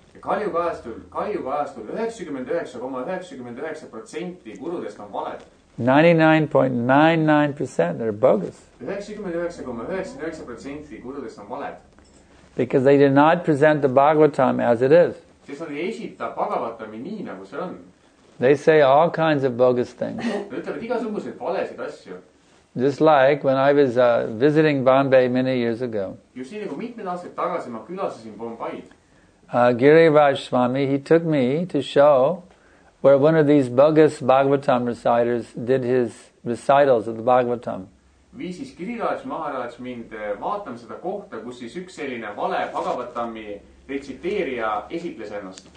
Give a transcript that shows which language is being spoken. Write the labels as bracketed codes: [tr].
[et] Kaliyuga ajastul 99.99% gurudest on valed. [en] 99.99% are bogus. [et] 99.99% gurudest on valed. [en] Because they do not present the Bhagavatam as it is. [et] Sest nad ei esita Bhagavatami nii, nagu see on. [en] They say all kinds of bogus things. [et] Nad ütlevad igasuguseid valesid asju. [en] Just like when I was visiting Bombay many years ago. [et] Just nii, nagu mitmed aastat tagasi ma külasasin Bombaid. [en] Giriraj Swami, he took me to show where one of these bogus Bhagavatam reciters did his recitals of the Bhagavatam. [et] Viisis Giriraj Maharaj mind vaatama seda kohta, kus siis üks selline vale Bhagavatami retsiteerija esitles ennast.